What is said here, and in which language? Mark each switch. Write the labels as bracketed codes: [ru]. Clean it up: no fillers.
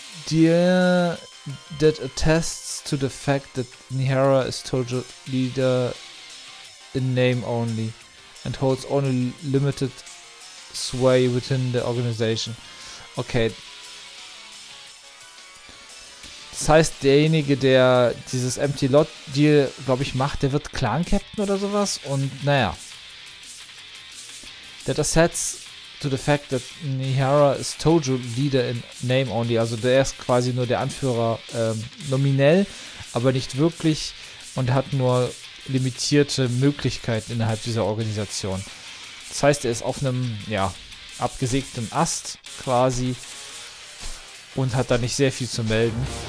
[en] Dear that attests to the fact that Nihara is Tojo leader in name only and holds only limited sway within the organization. Okay. [de] Das heißt, derjenige, der dieses Empty Lot Deal, glaube ich, macht, der wird Clan Captain oder sowas, und naja. [en] That attests to the fact that Nihara is Tojo leader in name only. [de] Also der ist quasi nur der Anführer nominell, aber nicht wirklich und hat nur limitierte Möglichkeiten innerhalb dieser Organisation. Das heißt, er ist auf einem, ja, abgesägten Ast quasi und hat da nicht sehr viel zu melden.